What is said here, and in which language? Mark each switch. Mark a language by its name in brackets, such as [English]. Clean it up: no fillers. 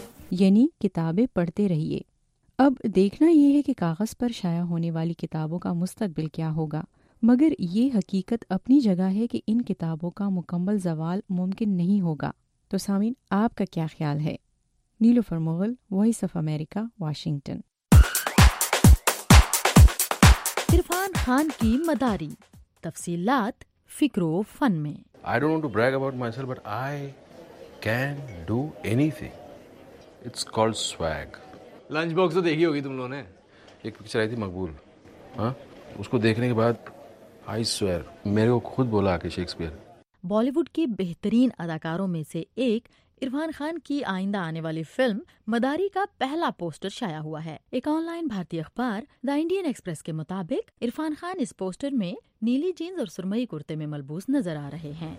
[Urdu] یعنی کتابیں پڑھتے رہیے۔ اب دیکھنا یہ ہے کہ کاغذ پر شائع ہونے والی کتابوں کا مستقبل کیا ہوگا، مگر یہ حقیقت اپنی جگہ ہے کہ ان کتابوں کا مکمل زوال ممکن نہیں ہوگا۔ تو سامعین، آپ کا کیا خیال ہے؟ نیلوفر Mughal, voice of America, Washington. Irfan Khan کی مداری، تفصیلات فکر و فن میں۔ [English] I don't want to brag about myself, but I can do anything. It's called swag. [Urdu] Lunch box تو دیکھی ہوگی تم لوگوں نے، ایک پکچر آئی تھی مقبول، ہاں اس کو دیکھنے کے بعد [English] I swear [Urdu] میرے کو خود بولا کہ شیکسپیئر۔ بالی ووڈ کے بہترین اداکاروں میں سے ایک عرفان خان کی آئندہ آنے والی فلم مداری کا پہلا پوسٹر شائع ہوا ہے۔ ایک آن لائن بھارتی اخبار دا انڈین ایکسپریس کے مطابق عرفان خان اس پوسٹر میں نیلی جینز اور سرمئی کرتے میں ملبوس نظر آ رہے ہیں۔